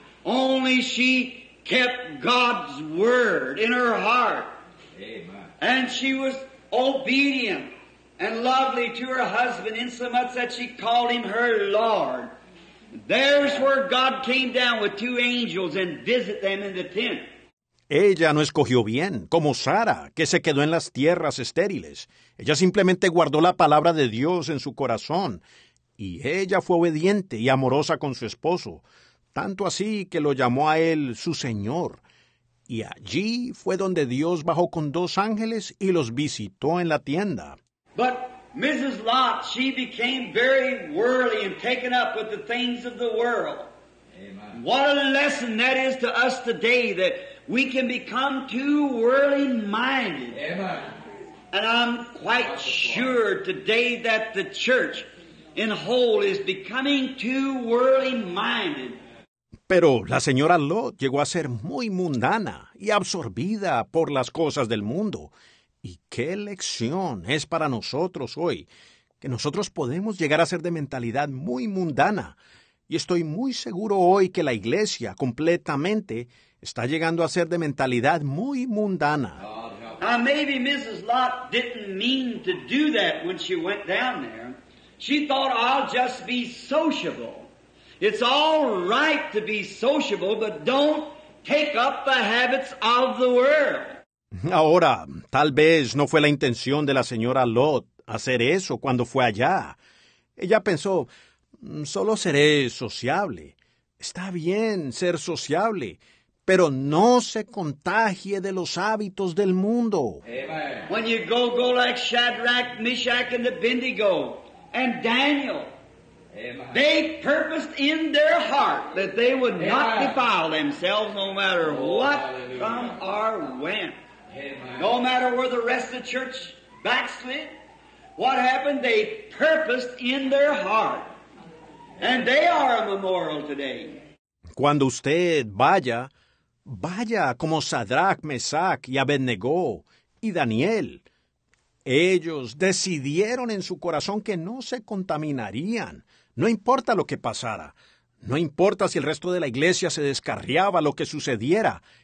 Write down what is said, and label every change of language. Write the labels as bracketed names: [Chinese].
[English] Only she kept God's word in her heart. Amen. And she was obedient and lovely to her husband, insomuch that she called him her Lord. There's where God came down with 2 angels and visit them in the tent. [Spanish] Ella no escogió bien, como Sara, que se quedó en las tierras estériles. Ella simplemente guardó la palabra de Dios en su corazón. Y ella fue obediente y amorosa con su esposo, tanto así que lo llamó a él su Señor. Y allí fue donde Dios bajó con 2 ángeles y los visitó en la tienda. [English] But Mrs. Lot, she became very worldly and taken up with the things of the world. Amen. What a lesson that is to us today, that we can become too worldly-minded. Amen. And I'm quite sure today that the church in whole is becoming too worldly-minded. [Spanish] Pero la señora Lot llegó a ser muy mundana y absorbida por las cosas del mundo. ¿Y qué lección es para nosotros hoy? Que nosotros podemos llegar a ser de mentalidad muy mundana. Y estoy muy seguro hoy que la iglesia completamente está llegando a ser de mentalidad muy mundana. [English] Now maybe Mrs. Lot didn't mean to do that when she went down there. She thought, I'll just be sociable. It's all right to be sociable, but don't take up the habits of the world. [Spanish] Ahora, tal vez no fue la intención de la señora Lot hacer eso cuando fue allá. Ella pensó, solo seré sociable. Está bien ser sociable, pero no se contagie de los hábitos del mundo. [English] Amen. When you go, go like Shadrach, Meshach, and Abednego, and Daniel. Amen. They purposed in their heart that they would Amen. Not defile themselves no matter what Hallelujah. Come or when. Amen. No matter where the rest of the church backslid, what happened, they purposed in their heart. And they are a memorial today. [Spanish] Cuando usted vaya, vaya como Sadrach, Mesach y Abednego y Daniel. Ellos decidieron en su corazón que no se contaminarían. No importa lo que pasara. No importa si el resto de la iglesia se descarriaba, lo que sucediera.